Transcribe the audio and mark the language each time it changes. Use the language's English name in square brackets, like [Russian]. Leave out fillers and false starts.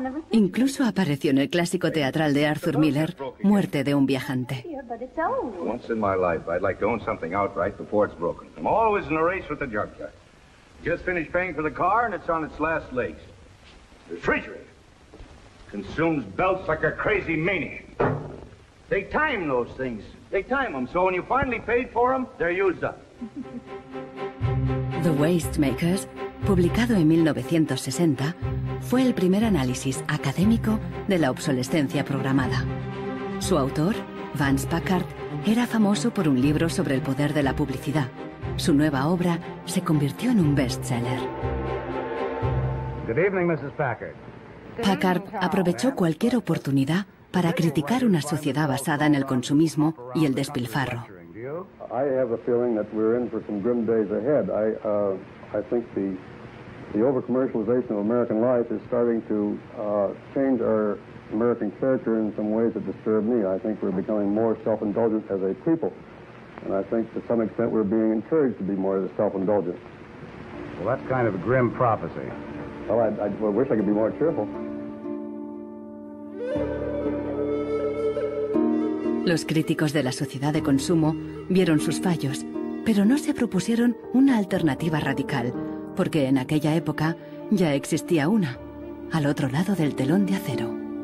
[Spanish] Incluso apareció en el clásico teatral de Arthur Miller, Muerte de un viajante. [English] Once in my life, I'd like to own something outright before it's broken. I'm always in a race with the junkyard. Just finished paying for the car and it's on its last legs. Refrigerator consumes belts like a crazy maniac. They time those things. They time them, so when you finally paid for them, they're used up. [Spanish] The Waste Makers, publicado en 1960, fue el primer análisis académico de la obsolescencia programada. Su autor, Vance Packard, era famoso por un libro sobre el poder de la publicidad. Su nueva obra se convirtió en un bestseller. [English] Good evening, Mrs. Packard. [Spanish] Packard aprovechó cualquier oportunidad para criticar una sociedad basada en el consumismo y el despilfarro. [English] I have a feeling that we're in for some grim days ahead. I think the over-commercialization of American life is starting to change our American character in some ways that disturb me. I think we're becoming more self-indulgent as a people. And I think to some extent we're being encouraged to be more self-indulgent. Well, that's kind of a grim prophecy. Well, I wish I could be more cheerful. [Spanish] Los críticos de la sociedad de consumo vieron sus fallos, pero no se propusieron una alternativa radical, porque en aquella época ya existía una, al otro lado del telón de acero.